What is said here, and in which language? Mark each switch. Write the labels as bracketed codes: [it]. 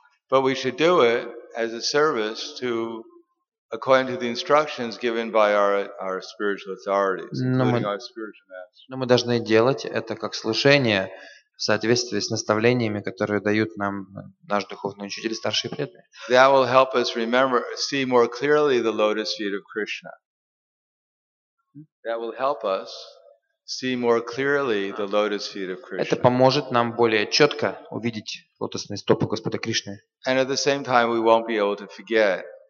[en] But we should do it as a service to according to the instructions given by our spiritual authorities, including our spiritual master. [ru] Но мы должны делать это как служение в соответствии с наставлениями, которые дают нам наш духовный учитель, старший преданный. [en] That will help us remember, see more clearly the lotus feet of Krishna. That will help us see more clearly the lotus feet of Krishna. [ru] Это поможет нам более четко увидеть лотосные стопы Господа Кришны. [en] And at the same time, we won't be able to forget.